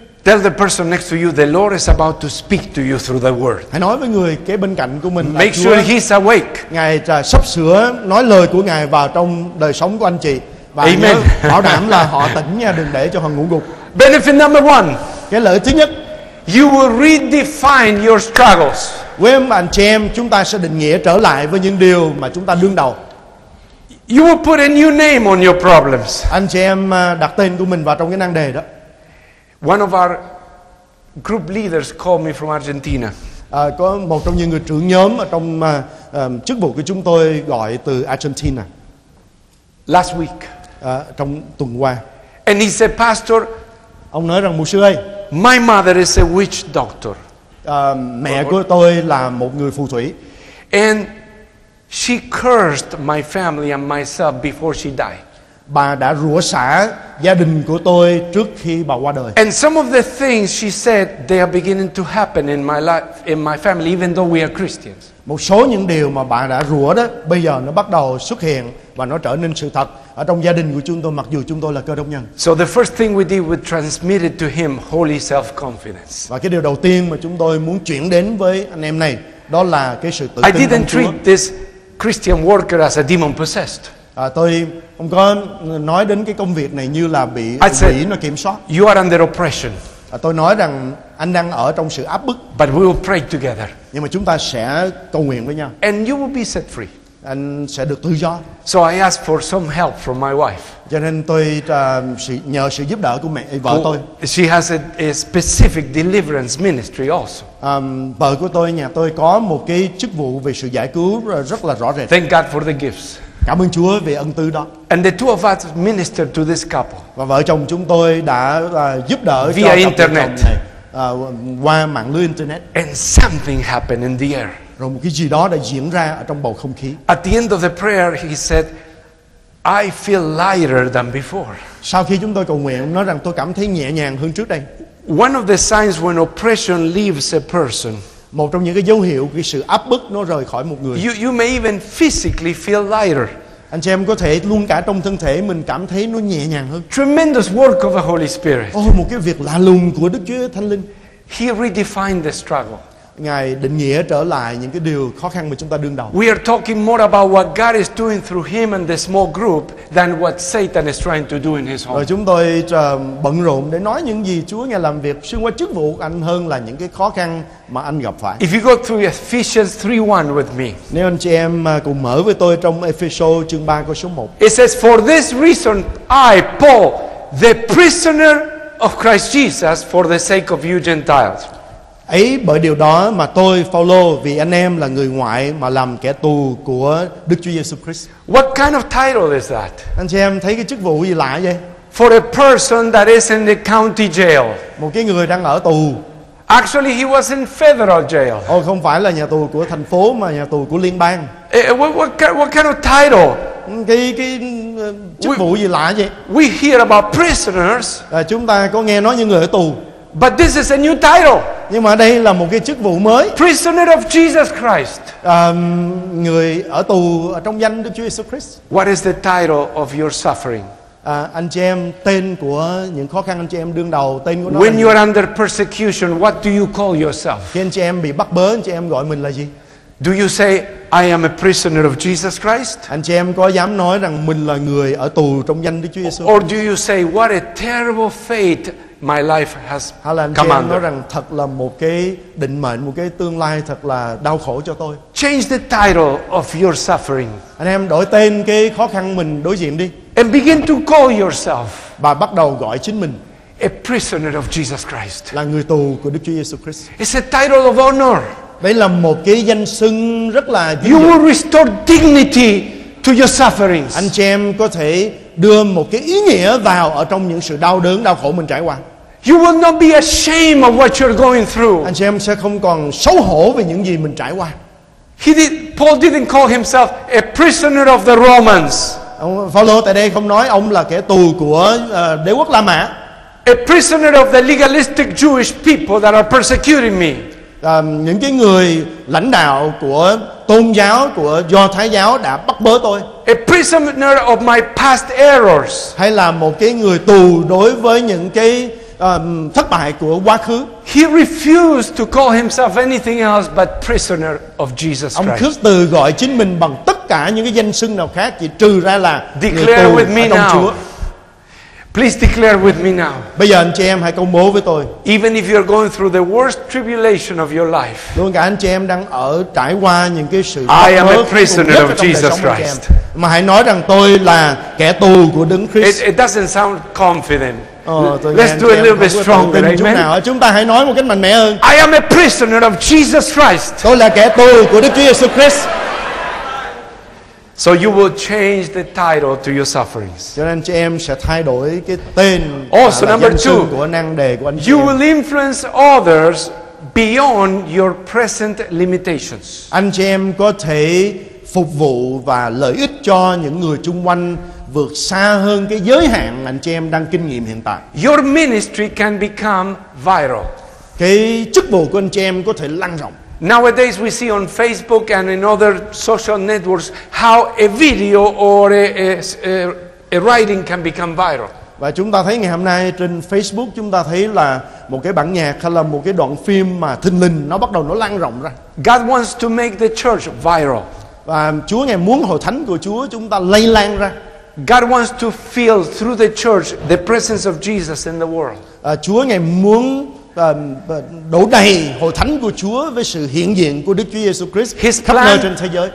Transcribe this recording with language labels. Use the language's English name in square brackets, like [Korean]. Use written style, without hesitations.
[English] Tell the person next to you the Lord is about to speak to you through the word. [Vietnamese] Hãy nói với người kế bên cạnh của mình. [English] Make sure he's awake. [Vietnamese] Ngài sắp sửa nói lời của Ngài vào trong đời sống của anh chị. Và amen. Bảo đảm là họ tỉnh nha, đừng để cho họ ngủ gục. [English] Benefit number one. [Vietnamese] Cái lợi thứ nhất. [English] You will redefine your struggles. [Vietnamese] Quý anh chị em, chúng ta sẽ định nghĩa trở lại với những điều mà chúng ta đương đầu. [English] You will put a new name on your problems. [Vietnamese] Anh chị em đặt tên của mình vào trong cái nan đề đó. [English] One of our group leaders called me from Argentina. [Vietnamese] Có một trong những người trưởng nhóm ở trong chức vụ của chúng tôi gọi từ Argentina. [English] Last week. [Vietnamese] Trong tuần qua. [English] And he said, Pastor. [Vietnamese] Ông nói rằng, mục sư ơi. [English] My mother is a witch doctor. [Vietnamese] Mẹ của tôi là một người phù thủy. [English] And she cursed my family and myself before she died. [Vietnamese] Bà đã rủa xả gia đình của tôi trước khi bà qua đời. [English] And some of the things she said, they are beginning to happen in my life, in my family, even though we are Christians. [Vietnamese] Một số những điều mà bà đã rủa đó, bây giờ nó bắt đầu xuất hiện và nó trở nên sự thật ở trong gia đình của chúng tôi, mặc dù chúng tôi là cơ đốc nhân. [English] So the first thing we did, we transmitted to him holy self-confidence. [Vietnamese] Và cái điều đầu tiên mà chúng tôi muốn chuyển đến với anh em này, đó là cái sự tự tin. [English] I didn't treat this Christian worker as a demon possessed. [Vietnamese] Tôi không có nói đến cái công việc này như là bị quỷ nó kiểm soát. [English] You are under oppression. [Vietnamese] Tôi nói rằng anh đang ở trong sự áp bức. [English] But we will pray together. [Vietnamese] Nhưng mà chúng ta sẽ cầu nguyện với nhau. [English] And you will be set free. [Vietnamese] Anh sẽ được tự do. [English] So I asked for some help from my wife. [Vietnamese] Cho nên tôi nhờ sự giúp đỡ của mẹ vợ tôi. [English] She has a specific deliverance ministry also. [Vietnamese] Vợ của tôi, nhà tôi có một cái chức vụ về sự giải cứu rất là rõ rệt. [English] Thank God for the gifts. [Vietnamese] Cảm ơn Chúa về ân tư đó. [English] And the two of us ministered to this couple. [Vietnamese] Và vợ chồng chúng tôi đã giúp đỡ [English] via [Vietnamese] cho cặp [English] internet. [Vietnamese] Này, qua mạng lưới internet. [English] And something happened in the air. [Vietnamese] Rồi một cái gì đó đã diễn ra ở trong bầu không khí. [English] At the end of the prayer, he said, "I feel lighter than before." [Vietnamese] Sau khi chúng tôi cầu nguyện, nói rằng tôi cảm thấy nhẹ nhàng hơn trước đây. [English] One of the signs when oppression leaves a person. [Vietnamese] Một trong những cái dấu hiệu cái sự áp bức nó rời khỏi một người. [English] You may even physically feel lighter. [Vietnamese] Anh chị em có thể luôn cả trong thân thể mình cảm thấy nó nhẹ nhàng hơn. [English] Tremendous work of the Holy Spirit. [Vietnamese] Oh, một cái việc lạ lùng của Đức Chúa Thánh Linh. [English] He redefined the struggle. [Vietnamese] Ngài định nghĩa trở lại những cái điều khó khăn mà chúng ta đương đầu. [English] We are talking more about what God is doing through him and the small group than what Satan is trying to do in his home. [Vietnamese] Rồi chúng tôi bận rộn để nói những gì Chúa Ngài làm việc xuyên qua chức vụ anh hơn là những cái khó khăn mà anh gặp phải. [English] If you go through Ephesians 3:1 with me. [Vietnamese] Nếu anh chị em cùng mở với tôi trong Ephesians chương 3 câu số 1. [English] It says, "For this reason I, Paul, the prisoner of Christ Jesus, for the sake of you Gentiles." [Vietnamese] Ấy bởi điều đó mà tôi Phaolô vì anh em là người ngoại mà làm kẻ tù của Đức Chúa Giêsu Christ. [English] What kind of title is that? [Vietnamese] Anh chị em thấy cái chức vụ gì lạ vậy? [English] For a person that is in the county jail. [Vietnamese] Một cái người đang ở tù. [English] Actually, he was in federal jail. [Vietnamese] Ồ, không phải là nhà tù của thành phố mà nhà tù của liên bang. [English] What kind of title? [Vietnamese] Cái chức vụ gì lạ vậy? [English] We hear about prisoners. [Vietnamese] Chúng ta có nghe nói những người ở tù. [English] But this is a new title. [Vietnamese] Nhưng mà đây là một cái chức vụ mới. [English] Prisoner of Jesus Christ. [Vietnamese] Người ở tù ở trong danh Đức Chúa Jesus Christ. [English] What is the title of your suffering? [Vietnamese] Anh chị em, tên của những khó khăn anh chị em đương đầu, tên của nó. [English] When you are under persecution, what do you call yourself? [Vietnamese] Khi anh chị em bị bắt bớ, anh chị em gọi mình là gì? [English] Do you say I am a prisoner of Jesus Christ? [Vietnamese] Anh chị em có dám nói rằng mình là người ở tù trong danh Đức Chúa Jesus? [English] Or do you say what a terrible fate my life has come under. [Vietnamese] Anh chị em nói rằng thật là một cái định mệnh, một cái tương lai thật là đau khổ cho tôi. [English] Change the title of your suffering. [Vietnamese] Anh em đổi tên cái khó khăn mình đối diện đi. [English] And begin to call yourself. [Vietnamese] Và bắt đầu gọi chính mình. [English] A prisoner of Jesus Christ. [Vietnamese] Là người tù của Đức Chúa Giêsu Christ. [English] It's a title of honor. [Vietnamese] Đây là một cái danh xưng rất là. [English] You will restore dignity to your sufferings. [Vietnamese] Anh chị em có thể đưa một cái ý nghĩa vào ở trong những sự đau đớn, đau khổ mình trải qua. [English] You will not be ashamed of what you're going through. [Vietnamese] Anh chị em sẽ không còn xấu hổ về những gì mình trải qua. [English] Paul didn't call himself a prisoner of the Romans. [Vietnamese] Phaolô tại đây không nói ông là kẻ tù của đế quốc La Mã. [English] A prisoner of the legalistic Jewish people that are persecuting me. [Vietnamese] Những cái người lãnh đạo của tôn giáo của Do Thái giáo đã bắt bớ tôi. [English] A prisoner of my past errors. [Vietnamese] Hay là một cái người tù đối với những cái thất bại của quá khứ. [English] He refused to call himself anything else but prisoner of Jesus Christ. [Vietnamese] Ông khước từ gọi chính mình bằng tất cả những cái danh xưng nào khác, chỉ trừ ra là [English] declare [Vietnamese] người tù [English] with [Vietnamese] ở trong Chúa. [English] Please declare with me now. [Vietnamese] Bây giờ anh chị em hãy công bố với tôi. [English] Even if you're going through the worst tribulation of your life. [Vietnamese] Luôn cả anh chị em đang ở trải qua những cái sự [English] I am a prisoner of Jesus Christ. [Vietnamese] Mà hãy nói rằng tôi là kẻ tù của Đấng Christ. [English] It doesn't sound confident. Let's do a little bit stronger. Amen. [Vietnamese] Chúng ta hãy nói một cách mạnh mẽ hơn. [English] I am a prisoner of Jesus Christ. [Vietnamese] Tôi là kẻ tù của Đức Chúa Giêsu Christ. [English] So you will change the title to your sufferings. [Vietnamese] Cho nên chị em sẽ thay đổi cái tên. [English] Also, number two, [Vietnamese] của năng đề của anh chị em. [English] You will influence others beyond your present limitations. [Vietnamese] Anh chị em có thể phục vụ và lợi ích cho những người xung quanh vượt xa hơn cái giới hạn anh chị em đang kinh nghiệm hiện tại. [English] Your ministry can become viral. [Vietnamese] Cái chức vụ của anh chị em có thể lan rộng. [English] Nowadays we see on Facebook and in other social networks how a video or a writing can become viral. [Vietnamese] Và chúng ta thấy ngày hôm nay trên Facebook chúng ta thấy là một cái bản nhạc hay là một cái đoạn phim mà thình lình nó bắt đầu nó lan rộng ra. [English] God wants to make the church viral. [Vietnamese] Và Chúa ngài muốn hội thánh của Chúa chúng ta lây lan ra. [English] God wants to feel through the church the presence of Jesus in the world. [Vietnamese] Chúa ngài muốn đổ đầy hội thánh của Chúa với sự hiện diện của Đức Chúa Giêsu Christ khắp nơi trên thế giới.